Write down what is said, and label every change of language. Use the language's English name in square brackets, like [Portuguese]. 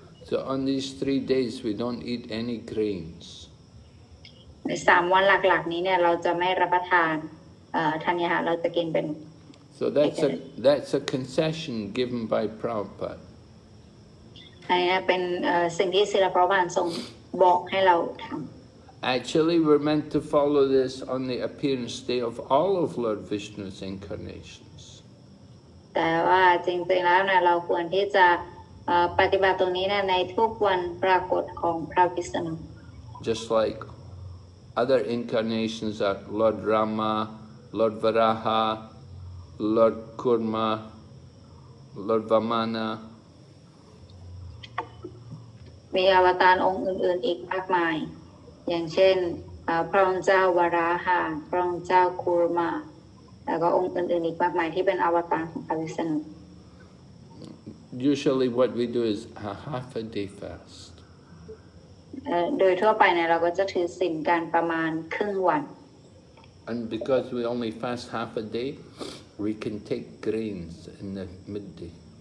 [English] So on these 3 days we don't eat any grains [Thai] ใน 3 วันหลักๆนี้เนี่ยเราจะไม่รับประทานธัญญาหารเราจะกินเป็น [English] So that's a concession given by Prabhupada [Thai] อันนี้เป็นสิ่งที่ศิลปราชญ์ทรงบอกให้เราทำ [English] Actually, we're meant to follow this on the appearance day of all of Lord Vishnu's incarnations. [Thai] แต่ว่าจริงๆแล้วเนี่ยเราควรที่จะปฏิบัติตรงนี้เนี่ยในทุกวันปรากฏของพระวิษณุ [English] Just like other incarnations are Lord Rama, Lord Varaha, Lord Kurma, Lord Vamana. [Thai] มีอวตารองค์อื่นๆอีกมากมายอย่างเช่นพระองค์เจ้าวราหะพระองค์เจ้าคุรมาแล้วก็องค์อื่นๆอีกมากมายที่เป็นอวตารของพระวิษณุ [English] Usually what we do is a half a day fast [Thai] โดยทั่วไปเนี่ยเราก็จะถือศีลกันประมาณครึ่งวัน [English] And because we only fast half a day we can take grains in the midday